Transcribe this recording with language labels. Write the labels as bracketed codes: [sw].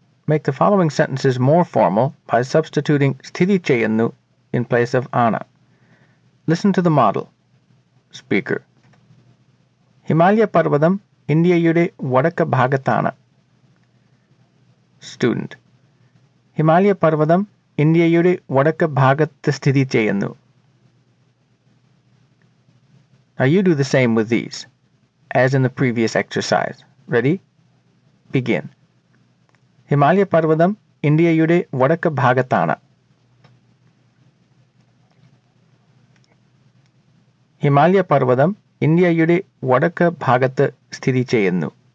[en] Make the following sentences more formal by substituting [ml] സ്ഥിതി ചെയ്യുന്നു [en] in place of ആണ്. Listen to the model. Speaker. [ml] Himalaya പർവ്വതം ഇന്ത്യയുടെ വടക്ക് ഭാഗത്താണ്. [en] Student. [ml] ഹിമാലയ പർവ്വതം ഇന്ത്യയുടെ വടക്ക് ഭാഗത്ത് സ്ഥിതി ചെയ്യുന്നു. [en] Now you do the same with these, as in the previous exercise. Ready? Begin. [ml] Himalaya പർവ്വതം ഇന്ത്യയുടെ വടക്ക് ഭാഗത്താണ്. ഹിമാലയ പർവ്വതം ഇന്ത്യയുടെ വടക്ക് ഭാഗത്ത് സ്ഥിതി ചെയ്യുന്നു.